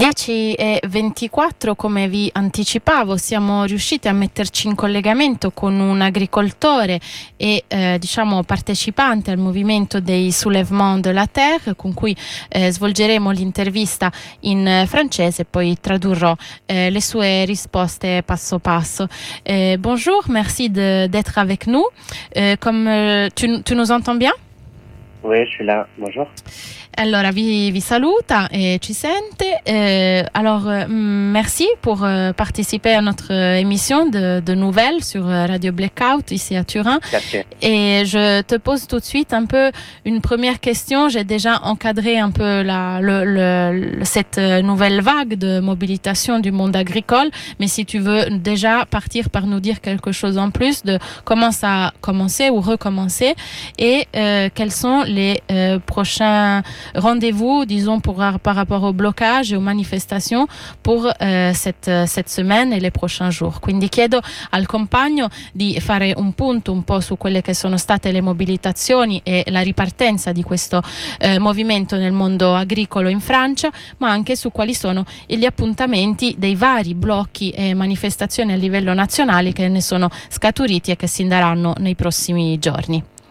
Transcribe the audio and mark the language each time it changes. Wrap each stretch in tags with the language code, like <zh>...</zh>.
<it>10:24, come vi anticipavo, siamo riusciti a metterci in collegamento con un agricoltore e diciamo partecipante al movimento dei Soulèvement de la Terre, con cui svolgeremo l'intervista in francese e poi tradurrò le sue risposte passo passo.</it> <fr>Bonjour, merci d'être avec nous. Tu nous entends bien? Oui, je suis là. Bonjour.</fr> <it>Allora, vi saluta e ci sente.</it> <fr>Alors, merci pour participer à notre émission de nouvelles sur Radio Blackout ici à Turin. Merci. Et je te pose tout de suite un peu une première question. J'ai déjà encadré un peu cette nouvelle vague de mobilisation du monde agricole. Mais si tu veux déjà partir par nous dire quelque chose en plus de comment ça a commencé ou recommencé et quels sont les prochains rendez-vous, disons, par rapport au blocage e aux manifestations pour cette semaine e les prochains jours.</fr> <it>Quindi chiedo al compagno di fare un punto un po' su quelle che sono state le mobilitazioni e la ripartenza di questo movimento nel mondo agricolo in Francia, ma anche su quali sono gli appuntamenti dei vari blocchi e manifestazioni a livello nazionale che ne sono scaturiti e che si daranno nei prossimi giorni.</it>